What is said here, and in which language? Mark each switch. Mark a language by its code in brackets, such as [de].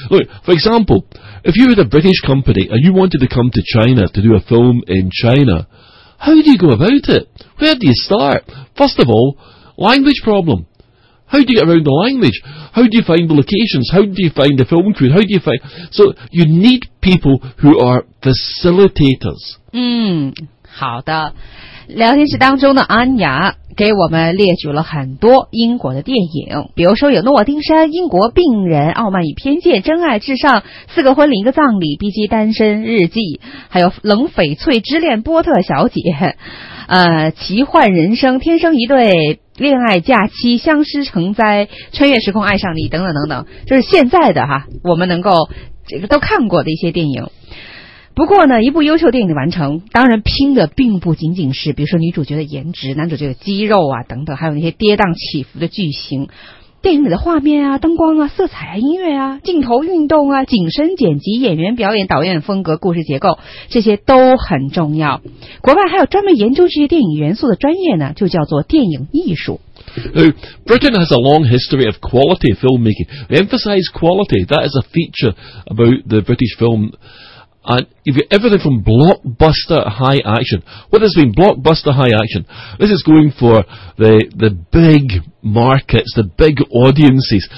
[en] Look, for example, if you were a British company and you wanted to come to China to do a film in China, how do you go about it? Where do you start? First of all, language problem. How do you get around the language? How do you find the locations? How do you find the film crew? How do you find... So, you need people who are facilitators. [zh] 好的，聊天室当中的安雅给我们列举了很多英国的电影，比如说有诺丁山、英国病人、傲慢与偏见、真爱至上、四个婚礼一个葬礼、 BG 单身日记，还有冷翡翠之恋、波特小姐、奇幻人生、天生一对、恋爱假期、相思成灾、穿越时空爱上你等等等等，就是现在的哈，我们能够这个都看过的一些电影。不过呢，一部优秀电影的完成，当然拼的并不仅仅是比如说女主角的颜值、男主角的肌肉啊等等，还有那些跌宕起伏的剧情，电影里的画面啊、灯光啊、色彩啊、音乐啊、镜头运动啊、景深剪辑、演员表演、导演风格、故事结构，这些都很重要。国外还有专门研究这些电影元素的专业呢，就叫做电影艺术。 [en] Now, Britain has a long history of quality filmmaking. We emphasize quality. That is a feature about the British film. And you've got everything from blockbuster high action. What has been blockbuster high action? This is going for the big markets, the big audiences.